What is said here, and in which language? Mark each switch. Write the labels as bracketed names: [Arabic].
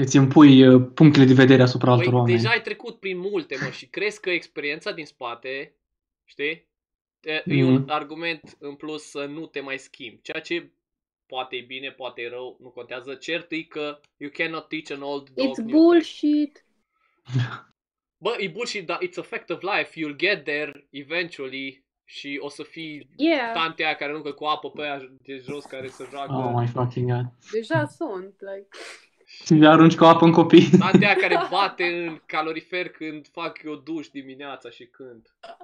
[Romanian] Îți împui punctele de vedere asupra păi altor oameni. Deja ai trecut prin multe, mă, și crezi că experiența din spate, știi, e un argument în plus să nu te mai schimbi. Ceea ce poate e bine, poate e rău, nu contează. Cert e că [English] you cannot teach an old dog. It's bullshit. [Romanian] Bă, e bullshit, dar [English] it's a fact of life. You'll get there eventually [Romanian] și o să fii tantea care aruncă cu apă pe aia de jos care se joacă. [English] Oh my fucking God. [Romanian] Deja sunt, like... Și le arunci cu apă în copii. Tantea care bate în calorifer când fac eu duș dimineața și când.